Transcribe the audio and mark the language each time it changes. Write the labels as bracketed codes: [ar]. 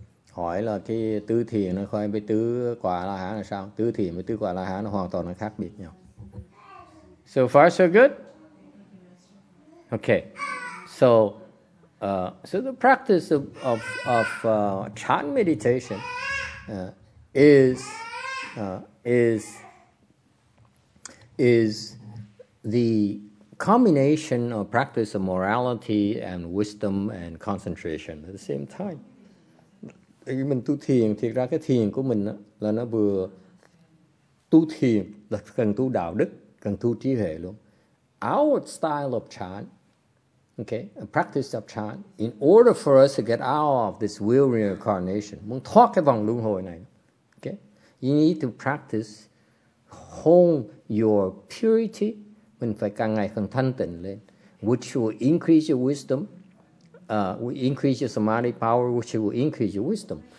[vi] Hỏi là cái tứ thiền nó khoai với tứ quả la hán là sao? Tứ thiền với tứ quả la hán nó hoàn toàn nó khác biệt nhau. [en] So far so good? Okay. So the practice of chan meditation is the combination of practice of morality and wisdom and concentration at the same time. [vi] Khi mình tu thiền, thiệt ra cái thiền của mình là nó vừa tu thiền, là cần tu đạo đức, cần tu trí huệ luôn. [en] Our style of chan, okay, a practice of chan, in order for us to get out of this wheel reincarnation, [vi] muốn thoát cái vòng luân hồi này, [en] okay, you need to practice, hone your purity, [vi] mình phải càng ngày càng thanh tịnh lên, [en] which will increase your wisdom, will increase your samadhi power, which will increase your wisdom.